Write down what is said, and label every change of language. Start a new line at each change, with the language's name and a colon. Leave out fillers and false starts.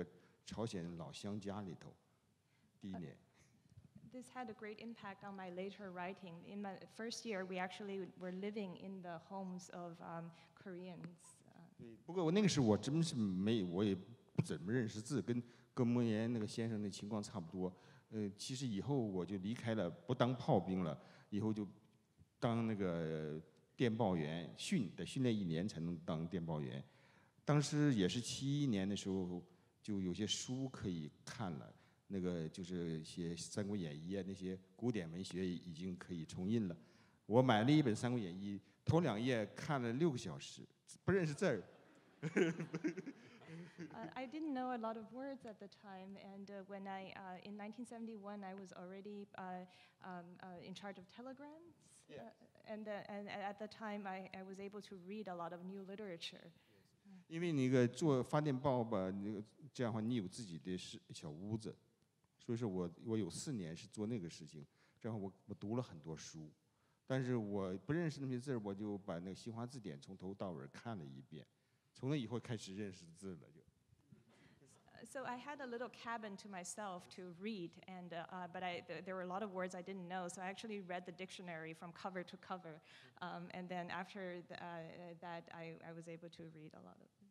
Chinese: 对我以后的生活和的写作都是很重要的，因为那真是到了边缘的地方，跟普通的战士和村民，因为我们是没有营房，就住在一个朝鲜老乡家里头。第一年，
English: This had a great impact on my later writing. In my first year, we actually were living in the homes of Koreans.
Chinese: 对，不过我那个时候我真是没，我也不怎么认识字，跟莫言那个先生的情况差不多。其实以后我就离开了，不当炮兵了。以后就当那个电报员，训得训练一年才能当电报员。当时也是71年的时候，就有些书可以看了，那个就是写《三国演义》啊那些古典文学已经可以重印了。我买了一本《三国演义》，头两页看了6个小时，不认识字儿。
English: I didn't know a lot of words at the time, and when I, in 1971, I was already in charge of telegrams. Yes. And at the time, I was able to read a lot of new literature.
Chinese: 因为你一个做发电报吧，这样的话你有自己的小屋子，所以说我有四年是做那个事情，这样我读了很多书，但是我不认识那些字儿，我就把那个新华字典从头到尾看了一遍，从那以后开始认识字了就。
English: So I had a little cabin to myself to read, and but there were a lot of words I didn't know, so I actually read the dictionary from cover to cover, and then after that I was able to read a lot of.